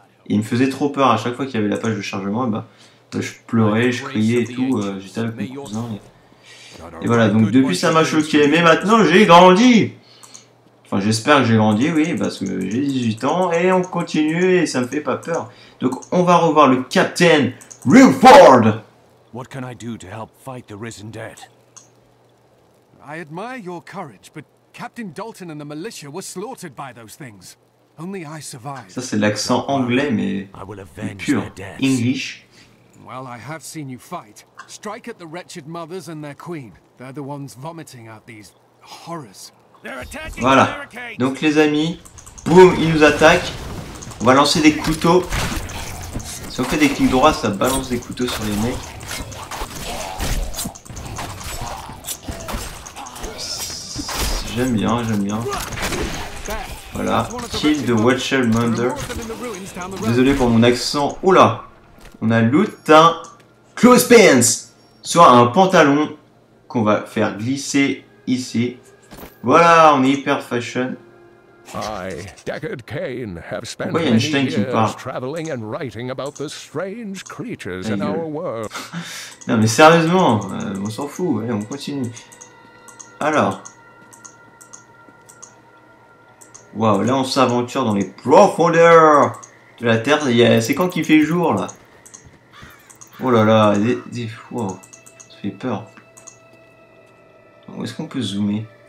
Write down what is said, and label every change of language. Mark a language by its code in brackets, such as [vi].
[fr] Et il me faisait trop peur à chaque fois qu'il y avait la page de chargement, et bah... Je pleurais, je criais et tout, j'étais avec mon cousin. Et voilà, donc depuis ça m'a choqué, mais maintenant j'ai grandi. Enfin, j'espère que j'ai grandi, oui, parce que j'ai 18 ans et on continue et ça me fait pas peur. Donc on va revoir le Capitaine Rilford. [en] What can I do to help fight the risen dead? I admire your courage, but Captain Dalton and the militia were slaughtered by those things. Only I survived. [fr] Ça c'est l'accent anglais, mais pur English. [en] Well, I have seen you fight. Strike at the wretched mothers and their queen. They're the ones vomiting out these horrors. [fr] Voilà. Donc les amis, boum, ils nous attaquent. On va lancer des couteaux. Si on fait des clics droits, ça balance des couteaux sur les mecs. J'aime bien. Voilà. [en] Kill the wretched mother. [fr] Désolé pour mon accent. Oula. On a loot un [en] clothes pants, [fr] soit un pantalon qu'on va faire glisser ici. Voilà, on est hyper fashion. [en] I, Deckard Cain, have spent many years traveling and writing about the strange creatures in our world. [fr] Non mais sérieusement, on s'en fout, allez, on continue. Alors, waouh, là on s'aventure dans les profondeurs de la terre. C'est quand qu'il fait jour là? Oh là là, wow, ça fait peur. Est-ce qu'on peut zoomer?